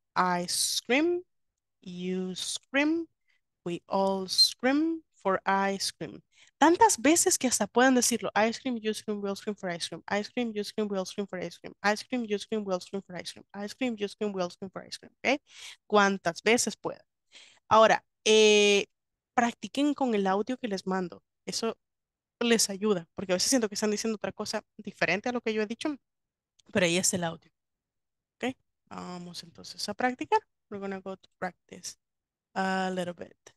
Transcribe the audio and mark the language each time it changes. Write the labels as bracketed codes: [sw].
[en] I scream. You scream, we all scream for ice cream. [es] Tantas veces que hasta puedan decirlo. [en] Ice cream, you scream, we all scream for ice cream. Ice cream, you scream, we all scream for ice cream. Ice cream, you scream, we all scream for ice cream. Ice cream, you scream, we all scream for ice cream. [es] ¿Okay? Cuantas veces puedan. Ahora, practiquen con el audio que les mando. Eso les ayuda, porque a veces siento que están diciendo otra cosa diferente a lo que yo he dicho, pero ahí es el audio. ¿Okay? Vamos entonces a practicar. [en] We're going to go to practice a little bit.